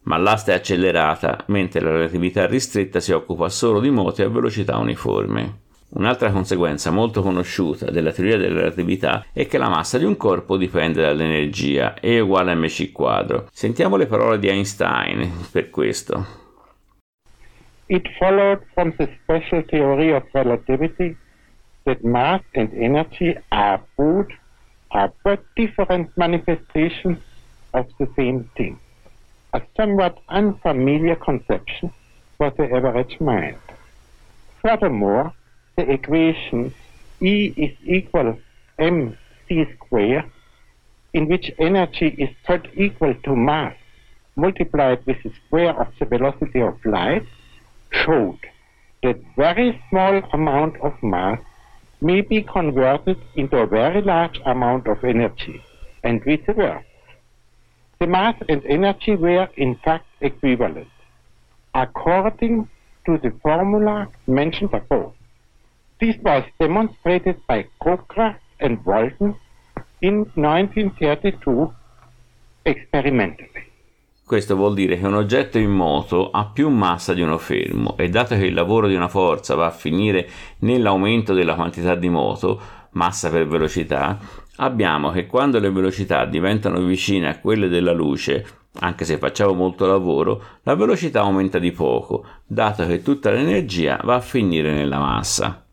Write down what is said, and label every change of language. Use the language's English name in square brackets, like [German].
[Italian] Ma l'asta è accelerata, mentre la relatività ristretta si occupa solo di moti a velocità uniforme. Un'altra conseguenza molto conosciuta della teoria della relatività è che la massa di un corpo dipende dall'energia, E uguale a mc quadro. Sentiamo le parole di Einstein per questo. [English] It followed from the special theory of relativity that mass and energy are both different manifestations of the same thing. A somewhat unfamiliar conception for the average mind. Furthermore, the equation E is equal mc squared, in which energy is thought equal to mass multiplied with the square of the velocity of light, showed that very small amount of mass may be converted into a very large amount of energy, and vice versa. The mass and energy were in fact equivalent, according to the formula mentioned above. This was demonstrated by Cockcroft and Walton in 1932 experimentally. [Italian] Questo vuol dire che un oggetto in moto ha più massa di uno fermo, e dato che il lavoro di una forza va a finire nell'aumento della quantità di moto, massa per velocità, abbiamo che quando le velocità diventano vicine a quelle della luce, anche se facciamo molto lavoro, la velocità aumenta di poco, dato che tutta l'energia va a finire nella massa.